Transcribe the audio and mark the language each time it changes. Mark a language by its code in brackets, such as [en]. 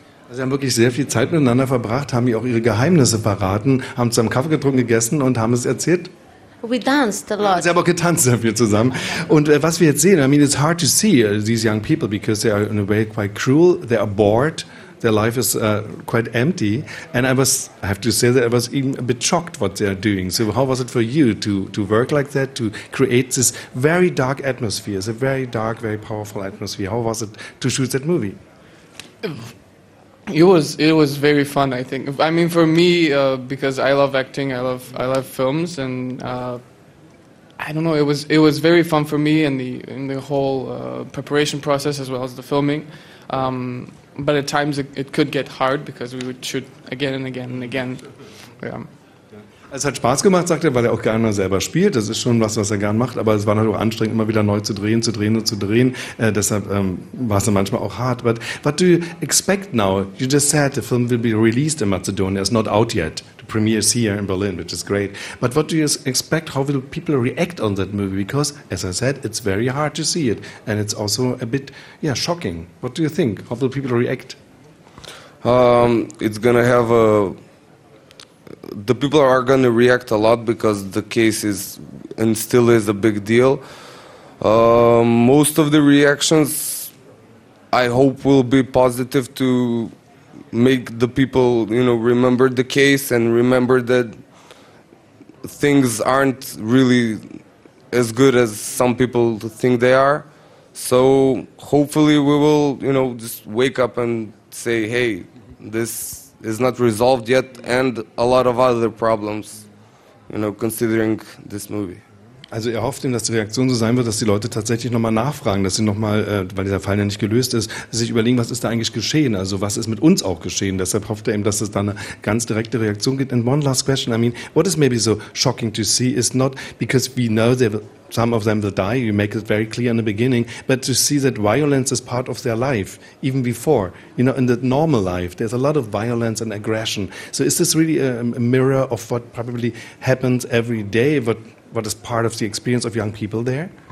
[de] Sie haben wirklich sehr viel Zeit miteinander verbracht, haben ihr auch ihre Geheimnisse verraten, haben zusammen Kaffee getrunken, gegessen und haben es erzählt. [en] We danced a lot. [de] Sie haben auch getanzt sehr viel zusammen. [en] Und was wir jetzt sehen, I mean, it's hard to see these young people because they are in a way quite cruel. They are bored. Their life is quite empty. And I have to say that I was even a bit shocked what they are doing. So how was it for you to work like that, to create this very dark atmosphere? It's a very dark, very powerful atmosphere. How was it to shoot that movie? It was very fun, I think. I mean, for me, because I love acting, I love films, and I don't know. It was very fun for me in the whole preparation process as well as the filming. But at times it could get hard because we would shoot again and again and again. Yeah. [de] Es hat Spaß gemacht, sagt er, weil er auch gerne selber spielt. Das ist schon was er gerne macht. Aber es war natürlich auch anstrengend, immer wieder neu zu drehen. Deshalb war es dann manchmal auch hart. But what do you expect now? [en] You just said the film will be released in Macedonia. It's not out yet. The premiere is here in Berlin, which is great. But what do you expect? How will people react on that movie? Because, as I said, it's very hard to see it. And it's also a bit, yeah, shocking. What do you think? How will people react? It's gonna have a... The people are going to react a lot because the case is and still is a big deal. Most of the reactions, I hope, will be positive to make the people, you know, remember the case and remember that things aren't really as good as some people think they are. So hopefully we will, you know, just wake up and say, hey, this... is not resolved yet, and a lot of other problems, you know, considering this movie. [de] Also ihr hofft ihm, dass die Reaktion so sein wird, dass die Leute tatsächlich nochmal nachfragen, dass sie nochmal, weil dieser Fall ja nicht gelöst ist, sich überlegen, was ist da eigentlich geschehen, also was ist mit uns auch geschehen. Deshalb hofft er eben, dass es da eine ganz direkte Reaktion gibt. [en] And one last question, I mean, what is maybe so shocking to see is not because we know they will, some of them will die, you make it very clear in the beginning, but to see that violence is part of their life, even before, you know, in the normal life, there's a lot of violence and aggression. So is this really a mirror of what probably happens every day, what is part of the experience of young people there?